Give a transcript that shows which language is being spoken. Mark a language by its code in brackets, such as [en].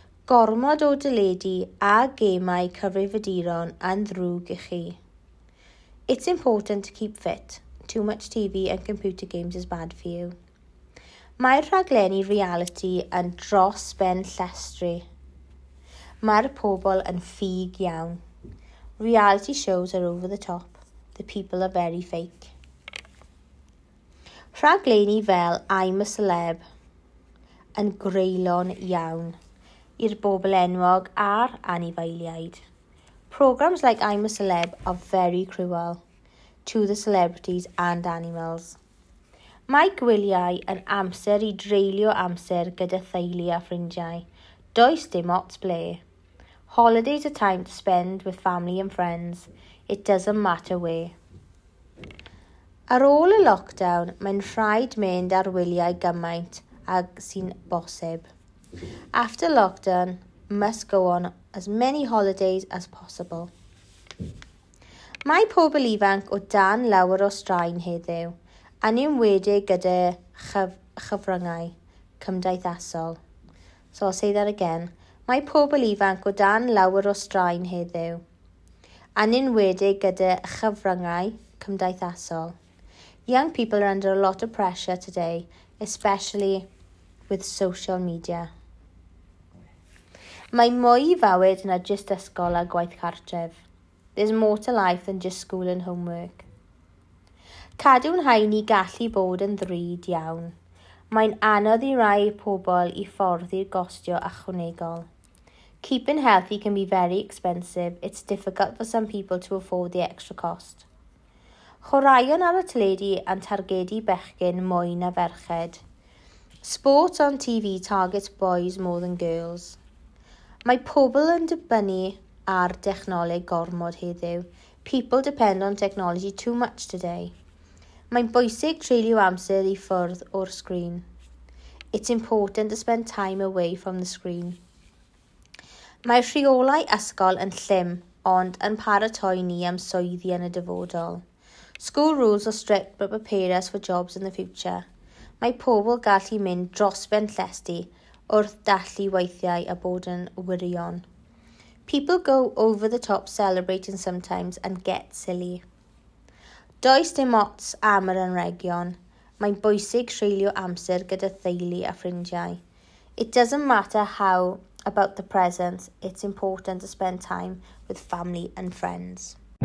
[cy] Gormod o deledu a gemau cyfrifiaduron yn ddrwg i chi. [en] It's important to keep fit. Too much TV and computer games is bad for you. [cy] Mae'r rhaglenni reality yn dros ben llestri. Mae'r pobl yn ffug iawn. [en] Reality shows are over the top. The people are very fake. [cy] Rhaglenni fel I'm a Celeb yn greulon iawn i'r bobl enwog a'r anifeiliaid. [en] Programs like I'm a Celeb are very cruel to the celebrities and animals. [cy] Mae gwyliau yn amser i dreulio amser gyda theulu a ffrindiau. Does dim ots ble. [en] Holidays are time to spend with family and friends. It doesn't matter where. [cy] Ar ôl y lockdown, mae'n rhaid mynd ar wyliau gymaint ag sy'n bosib. [en] After lockdown, must go on as many holidays as possible. [cy] Mae pobl ifanc o dan lawer o straen heddiw, yn enwedig gyda chyfryngau cymdeithasol. [en] So I'll say that again. [cy] Mae pobl ifanc o dan lawer o straen heddiw, yn enwedig gyda chyfryngau cymdeithasol. [en] Young people are under a lot of pressure today, especially with social media. [cy] Mae mwy fywyd na just ysgol a gwaith cartref. [en] There's more to life than just school and homework. [cy] Cadw'n haini gallu bod yn ddrud iawn. Mae'n anodd i rai pobl i ffordd i'r gostio ychwanegol. [en] Keeping healthy can be very expensive. It's difficult for some people to afford the extra cost. [cy] Chwaraeon ar y teledu yn targedu bechgyn mwy na ferched. [en] Sports on TV targets boys more than girls. [cy] Mae pobl yn dibynnu ar dechnoleg gormod heddiw. [en] People depend on technology too much today. [cy] Mae'n bwysig treulio amser i ffwrdd o'r sgrin. [en] It's important to spend time away from the screen. [cy] Mae rheolau ysgol yn llym, ond yn paratoi ni am swyddi yn y dyfodol. [en] School rules are strict but prepare us for jobs in the future. [cy] Mae pobl gallu mynd dros ben llestri wrth dallu weithiau a bod yn wirion. [en] People go over the top celebrating sometimes and get silly. [cy] Does dim ots am yr anregion. Mae'n bwysig treulio amser gyda theulu a ffrindiau. [en] It doesn't matter how about the presents, it's important to spend time with family and friends.